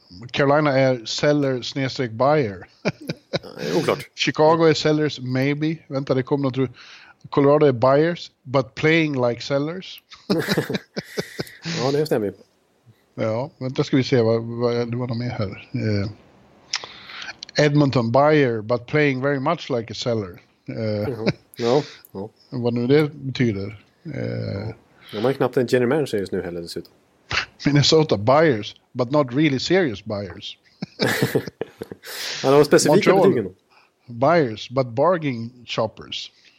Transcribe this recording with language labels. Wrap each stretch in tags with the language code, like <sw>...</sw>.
<sv>Carolina är seller/buyer. Oklart. Chicago är sellers</sv> <en>maybe.</en> <sv>Vänta, det kommer något. Colorado är</sv> <en>buyers but playing like sellers.</en> <sv>Ja, det stämmer. Ja, vänta, ska vi se vad de är här.</sv> <en>Edmonton buyer but playing very much like a seller. No.</en> <sv>Vad nu det betyder. Ja, man är knappt en general manager just nu heller dessutom.</sv> <en>Minnesota buyers but not really serious buyers.</en> <sv>Ja, de var specifika Montreal, betygen.</sv> <en>Buyers but bargain shoppers.</en>